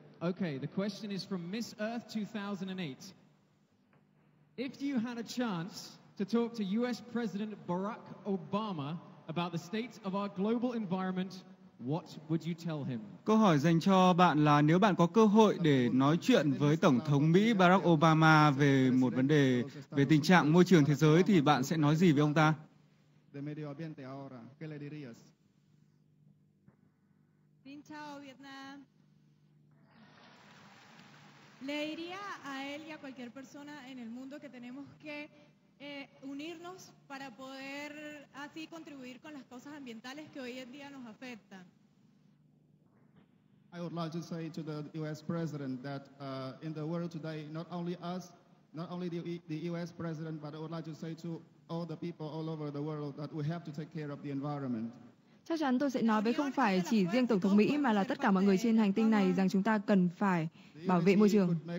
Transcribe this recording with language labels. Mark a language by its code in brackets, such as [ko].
[en] Okay, the question is from Miss Earth 2008. If you had a chance to talk to US President Barack Obama about the state of our global environment, what would you tell him? [vi] Câu hỏi dành cho bạn là nếu bạn có cơ hội để nói chuyện với Tổng thống Mỹ Barack Obama về một vấn đề về tình trạng môi trường thế giới thì bạn sẽ nói gì với ông ta? [es] De medio ambiente ahora, ¿qué le dirías? [vi] Xin chào Vietnam. [es] Le diría a él y a cualquier persona en el mundo que tenemos que unirnos para poder así contribuir con las cosas ambientales que hoy en día nos afectan. [en] I would like to say to the US president that in the world today, not only us, not only the US president, but I would like to say to all the people all over the world that we have to take care of the environment. [vi] Chắc chắn tôi sẽ nói với không phải chỉ riêng Tổng thống Mỹ mà là tất cả mọi người trên hành tinh này rằng chúng ta cần phải bảo vệ môi trường.